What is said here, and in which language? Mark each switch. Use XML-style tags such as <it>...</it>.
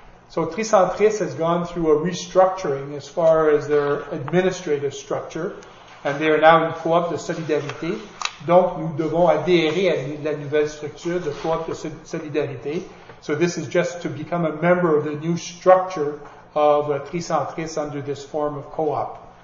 <en>So Tricentris has gone through a restructuring as far as their administrative structure, and they are now in coop de solidarité.</en> <fr>Donc, nous devons adhérer à la nouvelle structure de coop de solidarité.</fr> <en>So this is just to become a member of the new structure of Tricentris under this form of coop.</en>